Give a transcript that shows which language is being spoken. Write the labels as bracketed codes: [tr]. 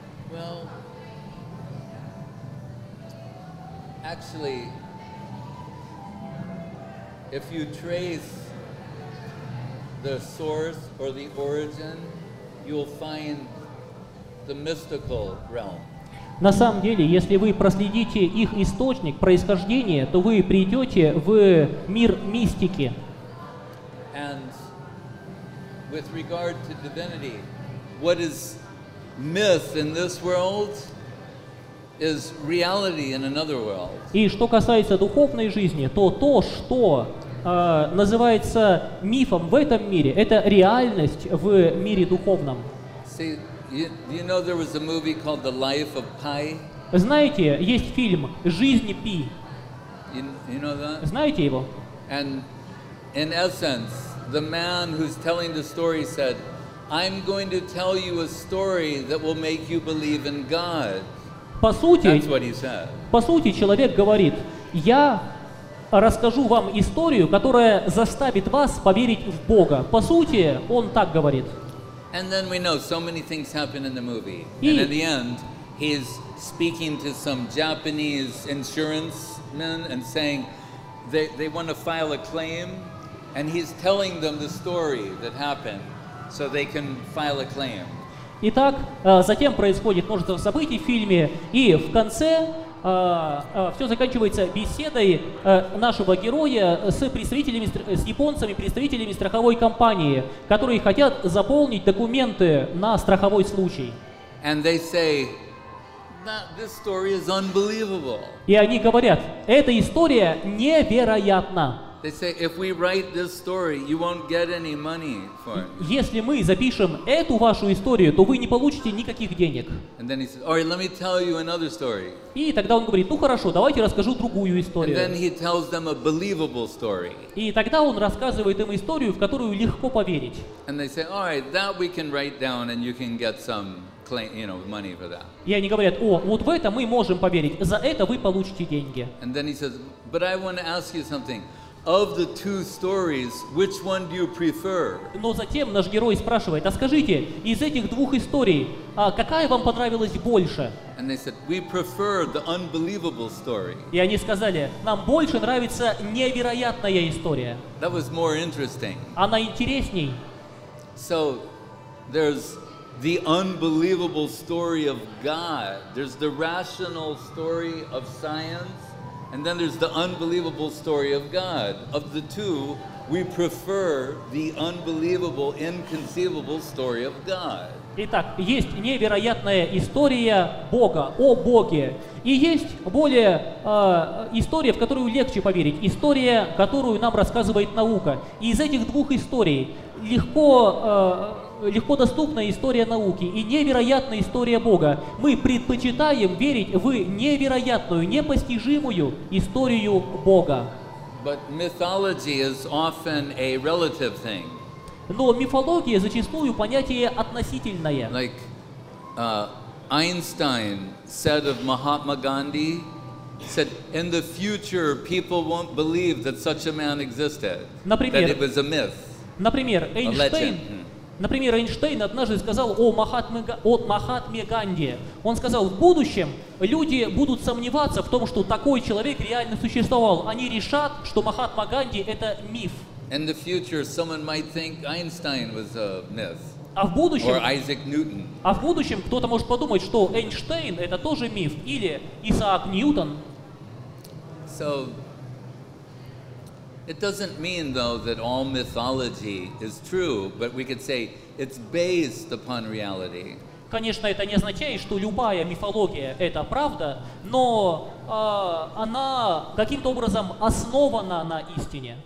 [en] Well, actually, if you trace the source or the origin, you'll find the mystical realm. [ru] На самом деле, если вы проследите их источник происхождения, то вы придете в мир мистики. [en] And with regard to divinity, what is myth in this world is reality in another world. [ru] И что касается духовной жизни, то то, что называется мифом в этом мире, это реальность в мире духовном. [en] Do you know there was a movie called The Life of Pi? [ru] Знаете, есть фильм «Жизнь Пи». [en] You know that? [ru] Знаете его? [en] And in essence, the man who's telling the story said, "I'm going to tell you a story that will make you believe in God." [ru] По сути, [en] that's what he said. [ru] По сути, человек говорит: "Я расскажу вам историю, которая заставит вас поверить в Бога." По сути, он так говорит. [en] And then we know so many things happen in the movie. And in the end, he's speaking to some Japanese insurance men and saying they want to file a claim, and he's telling them the story that happened so they can file a claim. [ru] Итак, затем происходит множество событий в фильме, и в конце все заканчивается беседой нашего героя с представителями, с японцами, представителями страховой компании, которые хотят заполнить документы на страховой случай. [en] And they say, that this story is unbelievable. [ru] И они говорят: эта история невероятна. [en] They say, if we write this story, you won't get any money for it. [ru] Если мы запишем эту вашу историю, то вы не получите никаких денег. [en] And then he says, all right, let me tell you another story. [ru] И тогда он говорит: ну хорошо, давайте расскажу другую историю. [en] And then he tells them a believable story. [ru] И тогда он рассказывает им историю, в которую легко поверить. [en] And they say, all right, that we can write down, and you can get some claim, you know, money for that. [ru] И они говорят: о, вот в это мы можем поверить. За это вы получите деньги. [en] And then he says, but I want to ask you something. Of the two stories, which one do you prefer? [ru] Но затем наш герой спрашивает: а скажите, из этих двух историй, какая вам понравилась больше? [en] And they said, we prefer the unbelievable story. [ru] И они сказали: нам больше нравится невероятная история. [en] That was more interesting. [ru] Она интересней. [en] So there's the unbelievable story of God. There's the rational story of science. And then there's the unbelievable story of God. Of the two, we prefer the unbelievable, inconceivable story of God. [ru] Итак, есть невероятная история Бога, о Боге. И есть более история, в которую легче поверить. История, которую нам рассказывает наука. И из этих двух историй легко доступная история науки и невероятная история Бога. Мы предпочитаем верить в невероятную, непостижимую историю Бога. [en] But mythology is often a relative thing. [ru] Но мифология зачастую понятие относительное. [en] Like Einstein said of Mahatma Gandhi, said in the future people won't believe that such a man existed. [ru] Например, [en] that it was a myth. [ru] Например, Эйнштейн. Например, Эйнштейн однажды сказал о Махатме Ганди. Он сказал: в будущем люди будут сомневаться в том, что такой человек реально существовал. Они решат, что Махатма Ганди — это миф. [en] In the future, someone might think Einstein was a myth. [ru] А в будущем, [en] or Isaac Newton. [ru] А в будущем кто-то может подумать, что Эйнштейн — это тоже миф, или Исаак Ньютон. [en] So, it doesn't mean, though, that all mythology is true, but we could say it's based upon reality. [ru] Конечно, это не означает, что любая мифология — это правда, но она каким-то образом основана на истине.